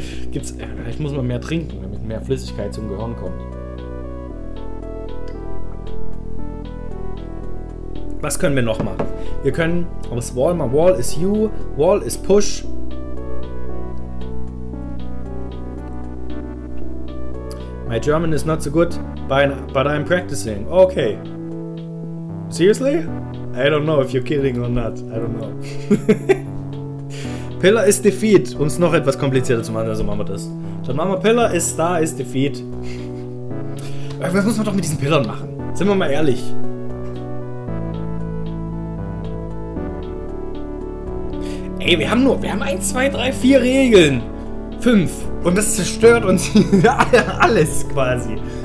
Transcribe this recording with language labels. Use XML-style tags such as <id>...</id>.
<de>Gibt's, ich muss mal mehr trinken, damit mehr Flüssigkeit zum Gehirn kommt. Was können wir noch machen? Wir können aus Wall mal Wall is you, Wall is push.</de> <en>My German is not so good, but I'm practicing. Okay. Seriously? I don't know if you're kidding or not. I don't know. Pillar is defeat.</en> <de>Um es noch etwas komplizierter zu machen, also machen wir das. Dann machen wir Pillar is star is defeat. Was muss man doch mit diesen Pillern machen? Sind wir mal ehrlich. Ey, wir haben 1, 2, 3, 4 Regeln. 5. Und das zerstört uns alles quasi.</de>